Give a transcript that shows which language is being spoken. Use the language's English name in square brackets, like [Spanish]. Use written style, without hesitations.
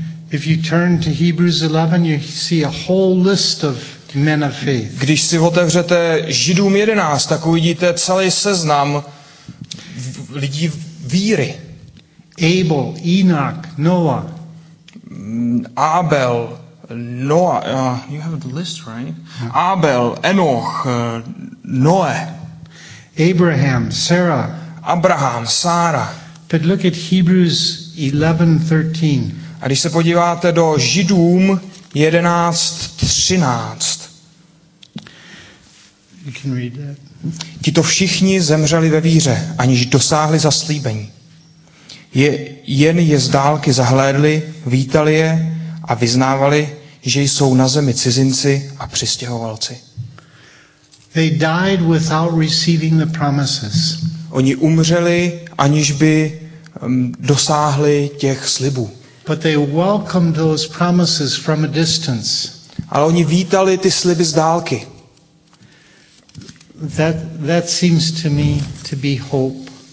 [English] If you turn to Hebrews 11, you see a whole list of men of faith. [Czech] Když si otevřete Židům 11, tak uvidíte celý seznam lidí víry. [English] Abel, Enoch, Noah. Abel, Noah. You have the list, right? [Czech] Abel, Enoch, Noé. [English] Abraham, Sarah. [Czech] Abraham, Sara. [English] But look at Hebrews 11:13. [Czech] A když se podíváte do Židům 11:13. [English] You can read that. [Czech] Tito všichni zemřeli ve víře, aniž dosáhli zaslíbení. Jen je z dálky zahlédli, vítali je a vyznávali, že jsou na zemi cizinci a přistěhovalci. [English] They died without receiving the promises. [Czech] Oni umřeli, aniž by dosáhli těch slibů. [English] But they welcomed those promises from a distance. [Czech] Ale oni vítali ty sliby z dálky. [English] That seems to me to be hope.